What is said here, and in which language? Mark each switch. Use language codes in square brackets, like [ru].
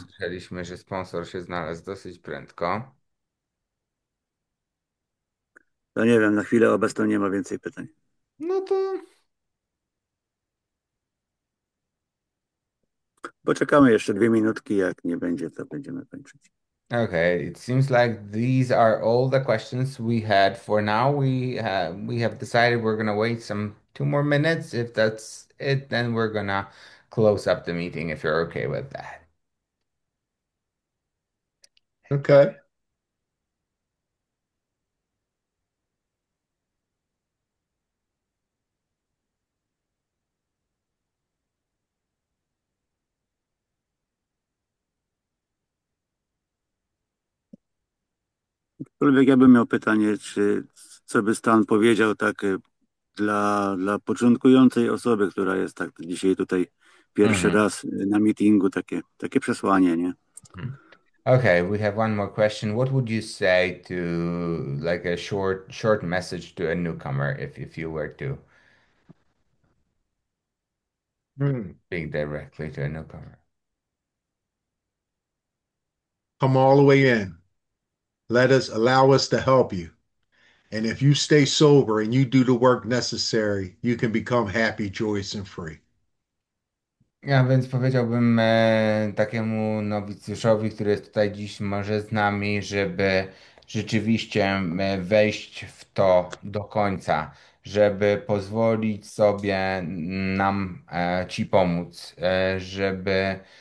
[pl] słyszeliśmy, że sponsor się znalazł dosyć prędko. No nie wiem, na chwilę obecną nie ma więcej pytań. No to. Poczekamy jeszcze 2 minutki, jak nie będzie, to będziemy kończyć. [en] Okay, it seems like these are all the questions we had for now. We have decided we're gonna wait some 2 more minutes. If that's it, then we're gonna close up the meeting if you're okay with that. Okay. [pl] Aczkolwiek ja bym miał pytanie, czy co by Stan powiedział tak dla początkującej osoby, która jest tak dzisiaj tutaj pierwszy raz na meetingu, takie przesłanie, nie? [en] Okay, we have one more question. What would you say to like a short message to a newcomer if you were to speak directly to a newcomer? Come all the way in. Allow us to help you. And if you stay sober and you do the work necessary, you can become happy, joyous, and free. [pl] Ja więc powiedziałbym takiemu nowicjuszowi, który jest tutaj dziś może z nami, żeby rzeczywiście wejść w to do końca, żeby pozwolić sobie nam ci pomóc, żeby